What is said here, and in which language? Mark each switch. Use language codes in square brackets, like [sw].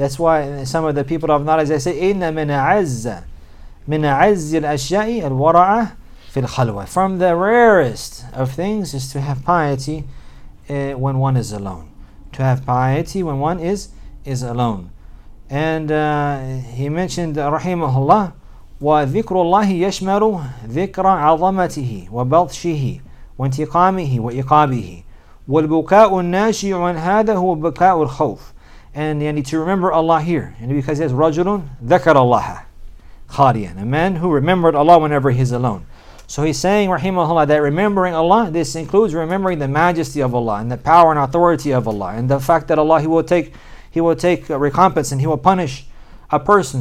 [en] That's why some of the people of knowledge, they say, [ar] إِنَّ مِنْ عَزَّ مِنْ عَزِّ الْأَشْيَاءِ الْوَرَعَةَ فِي الْخَلْوَةِ. [en] From the rarest of things is to have piety when one is alone. To have piety when one is alone. And he mentioned, [ar] رَحِيمُهُ اللَّهِ وَذِكْرُ اللَّهِ يَشْمَرُ ذِكْرَ عَظَمَتِهِ وَبَطْشِهِ وَانْتِقَامِهِ وَإِقَابِهِ وَالْبُكَاءُ النَّاشِعُ عَنْ هَذَا هُوَ بُكَاءُ الْخَوْفِ. [en] And you need to remember Allah here. And because he says, [ar] رَجُلٌ ذَكَرَ اللَّهَ خَالِيًا. [en] A man who remembered Allah whenever he's alone. So he's saying, rahimahullah, that remembering Allah, this includes remembering the majesty of Allah and the power and authority of Allah, and the fact that Allah, He will take recompense and He will punish a person.